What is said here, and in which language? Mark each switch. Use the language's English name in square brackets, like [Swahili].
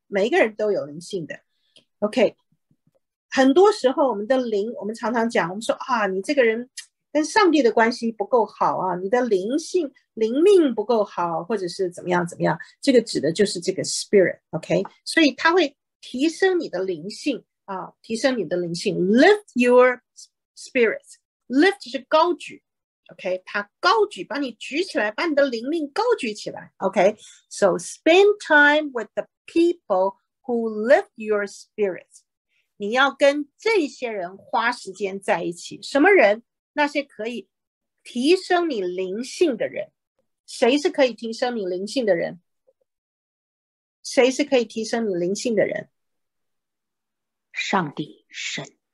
[Chinese] 每一个人都有灵性的 ，OK。很多时候，我们的灵，我们常常讲，我们说啊，你这个人跟上帝的关系不够好啊，你的灵性灵命不够好，或者是怎么样怎么样，这个指的就是这个 spirit，OK、okay?。所以它会提升你的灵性啊，提升你的灵性 ， [English] lift your spirits， [Chinese] lift 是高举。 OK， 他高举，把你举起来，把你的灵命高举起来。 [English] OK， so spend time with the people who lift your spirit. [Chinese] 你要跟这些人花时间在一起。什么人？那些可以提升你灵性的人。谁是可以提升你灵性的人？谁是可以提升你灵性的人？上帝、神。